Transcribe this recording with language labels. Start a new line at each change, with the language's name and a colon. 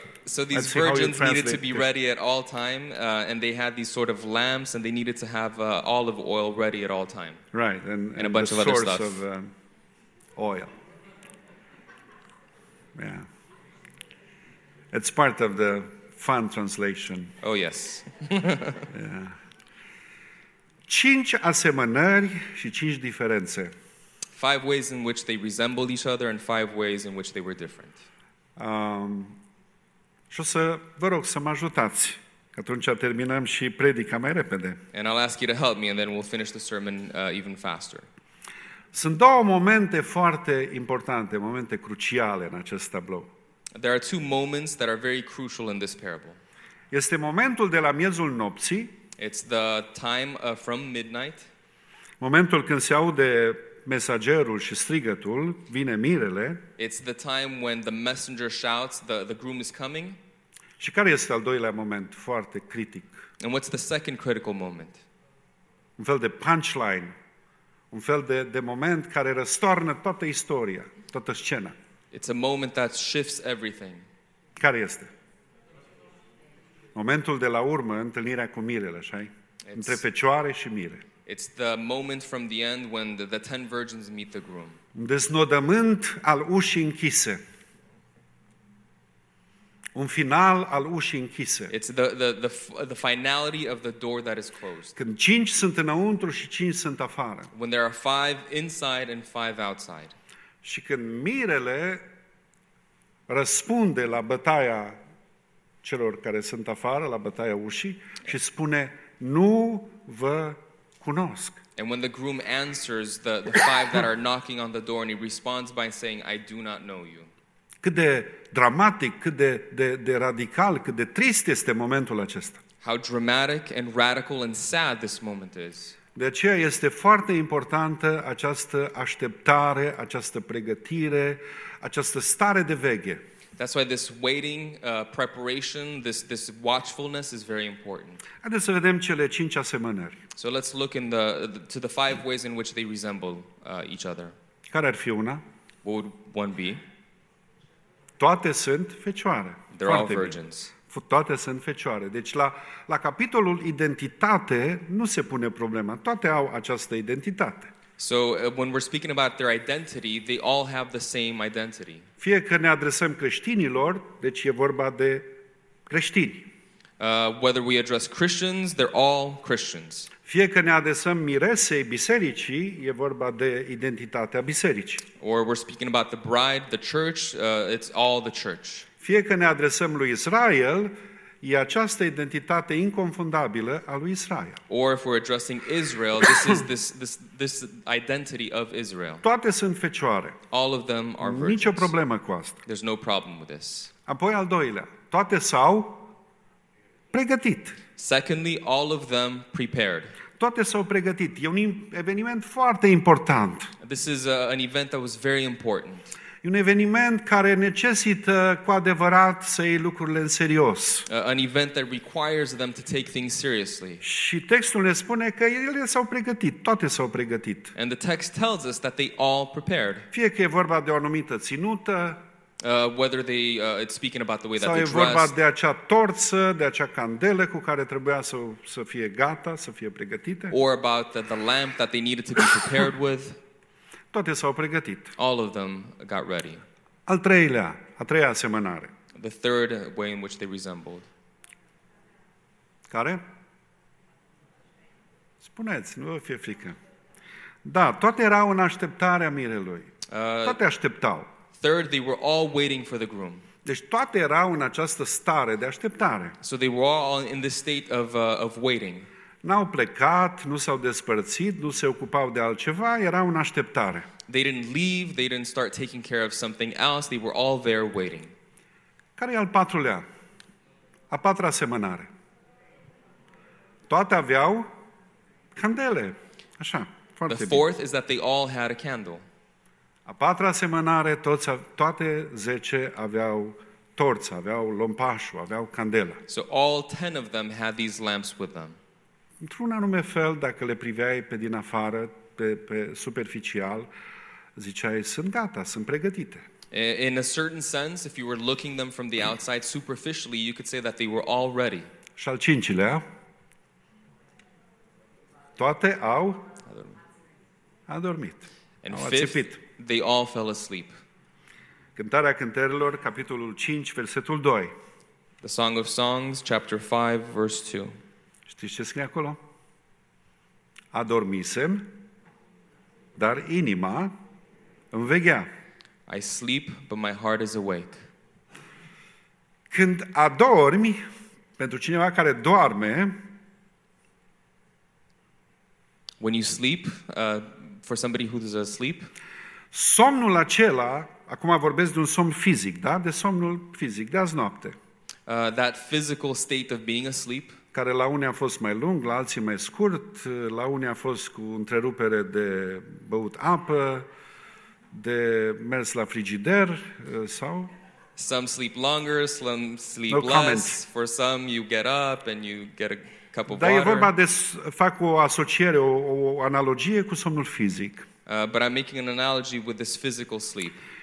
English: So these virgins needed to be ready at all time, and they had these sort of lamps, and they needed to have olive oil ready at all time. Right, and a bunch of other stuff. Of oil. Yeah. It's part of the fun translation. Oh, yes. Yeah.
Romanian: 5 asemănări și 5 diferențe.
English: 5 ways in which they resembled each other and 5 ways in which they were different.
Romanian: Și o să vă rog să mă ajutați. Atunci terminăm și predica mai repede.
English: And I'll ask you to help me and then we'll finish the sermon even faster.
Romanian: Sunt două momente foarte importante, momente cruciale în acest tablou.
English: There are two moments that are very crucial in this parable.
Romanian: Este momentul de la miezul nopții.
English: It's the time from midnight.
Romanian: Momentul când se aude mesagerul și strigătul, vine mirele.
English: It's the time when the messenger shouts, the groom is coming.
Romanian: Și care este al doilea moment foarte critic?
English: And what's the second critical moment?
Romanian: Un fel de punchline, un fel de moment care răstoarnă toată istoria, toată scena.
English: It's a moment that shifts everything.
Romanian: Care este? Momentul de la urmă, întâlnirea cu mirele, așa-i? Între fecioare și mire.
English: It's the moment from the end when the 10 virgins meet the groom.
Romanian: Un deznodământ al ușii închise. Un final al ușii închise.
English: It's the finality of the door that is closed.
Romanian: Când 5 sunt înăuntru și 5 sunt afară.
English: When there are 5 inside and 5 outside.
Romanian: Și când mirele răspunde la bătaia celor care sunt afară, la bătaia ușii, și spune, nu vă cunosc.
English: And when the groom answers the 5 that are knocking on the door and he responds by saying I do not know you.
Romanian: Cât de dramatic, cât de radical, cât de trist este momentul acesta.
English: How dramatic and radical and sad this moment is.
Romanian: De aceea este foarte importantă această așteptare, această pregătire, această stare de veghe.
English: That's why this waiting, preparation, this watchfulness is very important.
Romanian: Haideți să vedem cele 5 asemănări.
English: So let's look in to the 5 ways in which they resemble each other.
Romanian: Care ar fi una?
English: What would one be?
Romanian: Toate sunt fecioare.
English: They're all virgins.
Romanian: Toate sunt fecioare. Deci la capitolul identitate nu se pune problema. Toate au această identitate.
English: So when we're speaking about their identity, they all have the same identity.
Romanian: Fie că ne adresăm creștinilor, deci e vorba de creștini.
English: Whether we address Christians, they're all Christians.
Romanian: Fie că ne adresăm miresei bisericii, e vorba de identitatea bisericii.
English: Or we're speaking about the bride, the church, it's all the church.
Romanian: Fie că ne adresăm lui Israel, e această identitate inconfundabilă a lui Israel.
English: Or if we're addressing Israel, this is this identity of Israel.
Romanian: Toate sunt fecioare.
English: All of them are virgins.
Romanian: Nicio problemă cu asta.
English: There's no problem with this.
Romanian: Apoi al doilea, toate s-au pregătit.
English: Secondly, all of them prepared.
Romanian: Toate s-au pregătit. E un eveniment foarte important.
English: This is an event that was very important.
Romanian: E un eveniment care necesită cu adevărat să iei lucrurile în serios.
English: An event that requires them to take things seriously.
Romanian: Și textul ne spune că ele s-au pregătit, toate s-au pregătit.
English: And the text tells us that they all prepared.
Romanian: Fie că e vorba de o anumită ținută,
English: whether they it's speaking about the way
Romanian: sau
English: that they
Romanian: Sau e vorba de acea torță, de acea candelă cu care trebuia să fie gata, să fie pregătite.
English: Or about the lamp that they needed to be prepared with.
Romanian: Toate s-au pregătit.
English: All of them got ready.
Romanian: Al treilea, a treia asemănare.
English: The third way in which they resembled.
Romanian: Care? Spuneți, nu vă fie frică. Da, toate erau în așteptare a mirelui. Toate așteptau.
English: Third, they were all waiting for the groom.
Romanian: Deci toate erau în această stare de așteptare.
English: So they were all in this state of waiting.
Romanian: N-au plecat, nu s-au despărțit, nu se ocupau de altceva, erau în așteptare.
English: They didn't leave, they didn't start taking care of something else, they were all there waiting.
Romanian: Care e al patrulea? A patra asemănare. Toate aveau candele. Așa, foarte bine.
English: The fourth is that they all had a candle.
Romanian: A patra asemănare, toate zece aveau torță, aveau lompașul, aveau candela.
English: So all 10 of them had these lamps with them.
Romanian: Într-un anume fel, dacă le priveai pe din afară, pe superficial, ziceai, sunt gata, sunt pregătite.
English: In a certain sense, if you were looking them from the outside, superficially, you could say that they were all ready.
Romanian: Și al cincilea, toate au adormit.
English: And fifth, they all fell asleep.
Romanian: Cântarea Cântărilor, capitolul 5, versetul 2.
English: The Song of Songs, chapter 5, verse 2.
Romanian: Știți ce scrie acolo? Adormisem, dar inima înveghea.
English: I sleep, but my heart is awake.
Romanian: Când adormi, pentru cineva care doarme,
English: when you sleep, for somebody who is asleep,
Romanian: somnul acela, acum vorbesc de un somn fizic, da? De somnul fizic, de azi noapte.
English: That physical state of being asleep,
Romanian: care la unii a fost mai lung, la alții mai scurt, la unii a fost cu întrerupere de băut apă, de mers la frigider, sau...
English: Some sleep longer, some sleep less. For some, you get up and you get a cup of water.
Romanian: Dar e vorba de... Fac o asociere, o analogie cu somnul fizic.
English: But I'm making an analogy with this physical sleep.